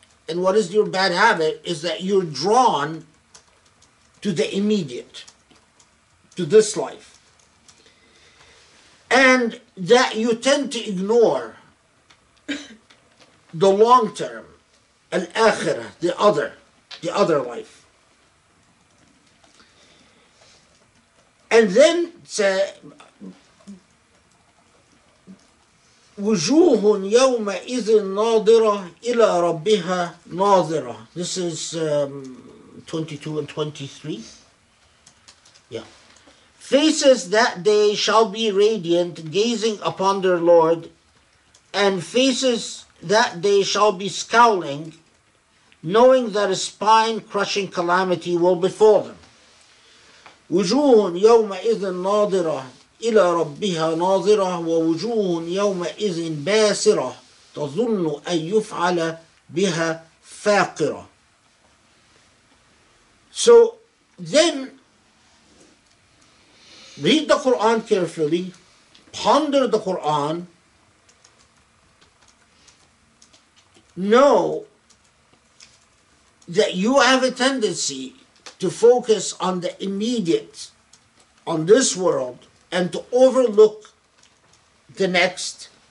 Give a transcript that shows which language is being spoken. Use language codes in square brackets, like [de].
[en] And what is your bad habit is that you're drawn to the immediate, to this life. And that you tend to ignore the long term, al-akhirah, the other life. And then say, [ar] وجوه يوم إذ ناظرة إلى ربها ناظرة. [en] This is 22 and 23. Yeah. Faces that day shall be radiant, gazing upon their Lord, and faces that day shall be scowling, knowing that a spine-crushing calamity will befall them. [ar] وجوه يومئذ ناظرة إلى ربها ناظرة ووجوه يومئذ باسرة تظن أن يفعل بها فاقرة. [en] So then, read the Quran carefully, ponder the Quran, know that you have a tendency to focus on the immediate, on this world, and to overlook the next.